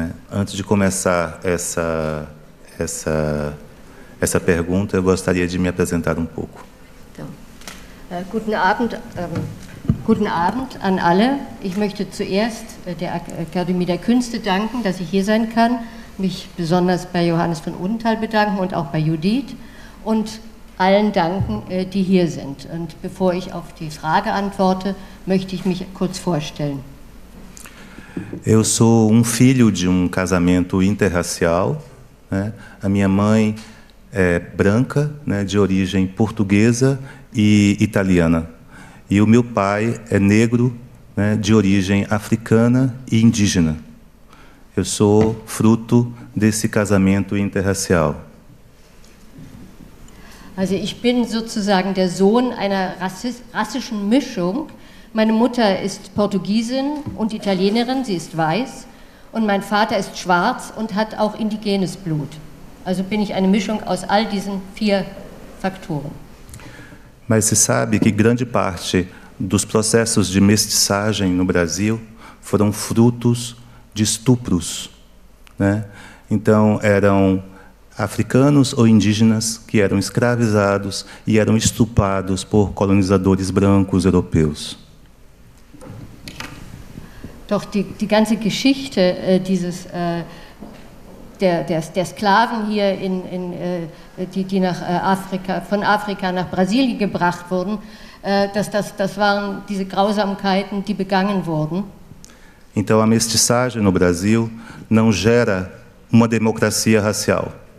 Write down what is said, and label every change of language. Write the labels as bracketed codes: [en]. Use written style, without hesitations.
[pt] Antes de começar essa pergunta, eu gostaria de me apresentar um pouco. [de] Então, guten Abend, guten Abend an alle. Ich möchte zuerst der Akademie der Künste danken, dass ich hier sein kann, mich besonders bei Johannes von Odenthal bedanken und auch bei Judith und allen danken, die hier sind. Und bevor ich auf die Frage antworte, möchte ich mich kurz vorstellen. [pt] Eu sou um filho de um casamento interracial. A minha mãe é branca, de origem portuguesa e italiana. E o meu pai é negro, de origem africana e indígena. Eu sou fruto desse casamento interracial. [de] Also ich bin sozusagen der Sohn einer rassischen Mischung. Meine Mutter ist Portugiesin und Italienerin, sie ist weiß. Und mein Vater ist schwarz und hat auch indigenes Blut. Also bin ich eine Mischung aus all diesen vier Faktoren. [pt] Mas você sabe que grande parte dos processos de mestiçagem no Brasil foram frutos de estupros, Então eram africanos ou indígenas que eram escravizados e eram estuprados por colonizadores brancos europeus. [de] Doch die ganze Geschichte dieses der Sklaven hier in die nach Afrika von Afrika nach Brasilien gebracht wurden, das waren diese Grausamkeiten, die begangen wurden. [pt] Então a mestiçagem no Brasil não gera uma democracia racial.